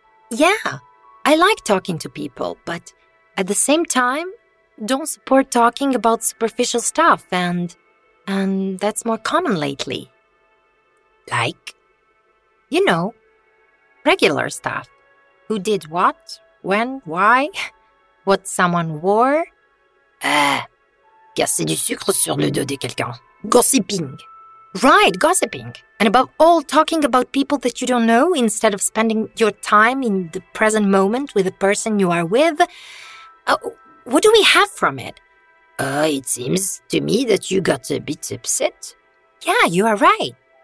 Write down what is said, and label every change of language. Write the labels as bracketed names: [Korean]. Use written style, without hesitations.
[English] Yeah, I like talking to people, but at the same time, don't support talking about superficial stuff and... And that's more common lately. Like? You know, regular stuff. Who did what, when, why, what someone wore. [French] Casser du sucre sur le dos de quelqu'un. [English] Gossiping. Right, gossiping. And above all, talking about people that you don't know instead of spending your time in the present moment with the person you are with. What do we have from it? It seems to me that you got a bit upset. Yeah, you are right.